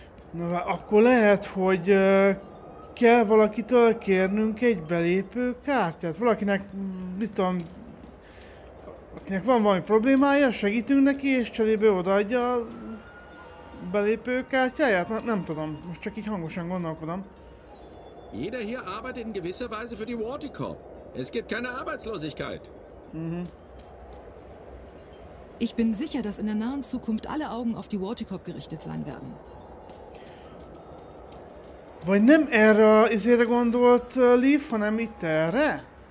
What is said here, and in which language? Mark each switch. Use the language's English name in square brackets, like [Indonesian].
[Hungarian] Na, akkor lehet, hogy kell valakitől kérnünk egy belépő kártyát. Valakinek, mit tudom, akinek van valami problémája, segítünk neki, és cserébe odaadja a belépő kártyáját. Nem tudom, most csak így hangosan gondolkodom. [German] Jeder hier arbeitet in gewisser Weise für die Waticorp. Es gibt keine Arbeitslosigkeit. Mhm. Ich bin sicher, dass in der nahen Zukunft alle Augen auf die Waticorp gerichtet sein werden. [Hungarian] Vagy nem erre izére gondolt, Leaf, hanem itt erre?